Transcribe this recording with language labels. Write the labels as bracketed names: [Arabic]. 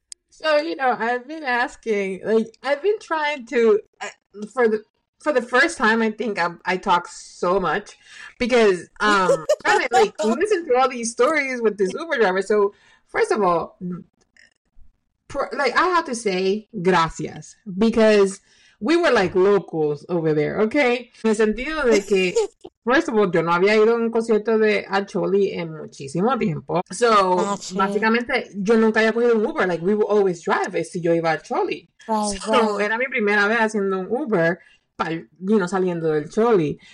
[English] So, you know, I've been asking, like, I've been trying to, for the first time, I think I talk so much, because I'm trying to, like, listen to all these stories with this Uber driver. So, first of all, I have to say gracias, because we were, like, locals over there, okay? [Spanish] En el sentido de que, [English] first of all, [Spanish] yo no había ido a un concierto de Acholi en muchísimo tiempo. So, básicamente, yo nunca había cogido un Uber. [English] Like, we would always drive [Spanish] si yo iba a Acholi. Era mi primera vez haciendo un Uber, saliendo del Acholi.